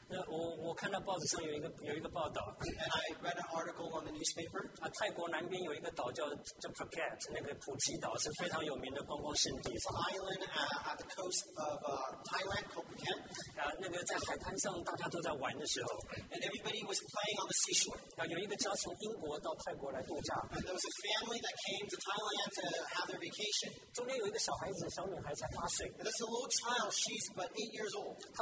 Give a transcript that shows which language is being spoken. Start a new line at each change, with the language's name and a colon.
Chinese: 我看到报纸上有一个报道。
English: And I read an article on the newspaper.
Chinese: 泰国南边有一个岛叫 Phuket, 那个普吉岛是非常有名的观光胜地。
English: Island at the coast of Thailand called Phuket.
Chinese: 那个在海滩上大家都在玩的时候。
English: And everybody was playing on the seashore.
Chinese: 有一个家从英国到泰国来度假。
English: And there was a family that came to Thailand to have their vacation.
Chinese: 中间有一个小孩子，小女孩才8岁。
English: There's a little child, she's about 8 years old.